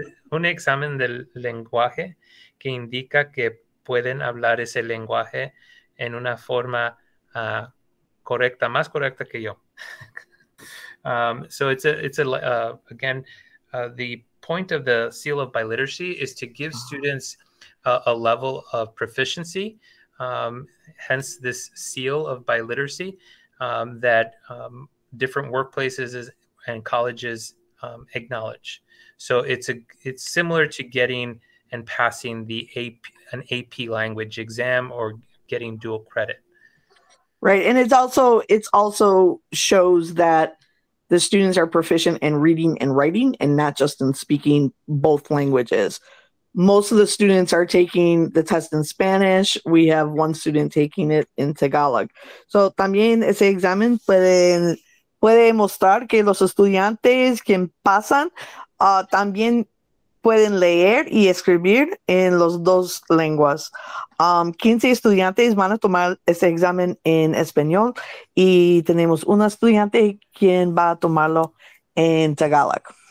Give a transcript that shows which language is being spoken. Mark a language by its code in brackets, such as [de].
[es] un examen del lenguaje que indica que pueden hablar ese lenguaje en una forma correcta, más correcta que yo. [en] So the point of the seal of biliteracy is to give students a level of proficiency, hence this seal of biliteracy that different workplaces and colleges acknowledge. So it's similar to getting and passing the AP language exam or getting dual credit. Right, and it's also shows that the students are proficient in reading and writing and not just in speaking both languages. Most of the students are taking the test in Spanish. We have one student taking it in Tagalog. [es] So también ese examen puede mostrar que los estudiantes que pasan también pueden leer y escribir en los dos lenguas. 15 estudiantes van a tomar ese examen en español y tenemos una estudiante quien va a tomarlo en Tagalog.